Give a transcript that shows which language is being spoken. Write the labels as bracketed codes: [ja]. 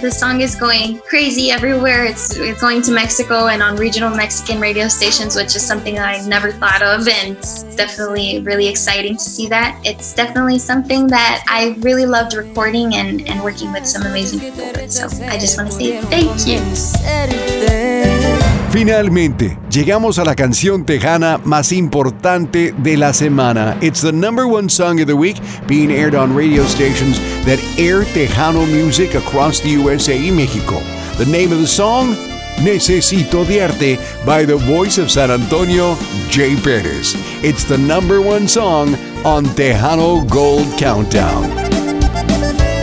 [en] The song is going crazy everywhere. It's going to Mexico and on regional Mexican radio stations, which is something that I never thought of. And it's definitely really exciting to see that. It's definitely something that I really loved recording and working with some amazing people with. So I just want to say thank you. [es] Finalmente, llegamos a la canción tejana más importante de la semana. [en] It's the number one song of the week being aired on radio stations that air Tejano music across the USA y México. The name of the song, Necesito Odiarte, by the voice of San Antonio, Jay Perez. It's the number one song on Tejano Gold Countdown.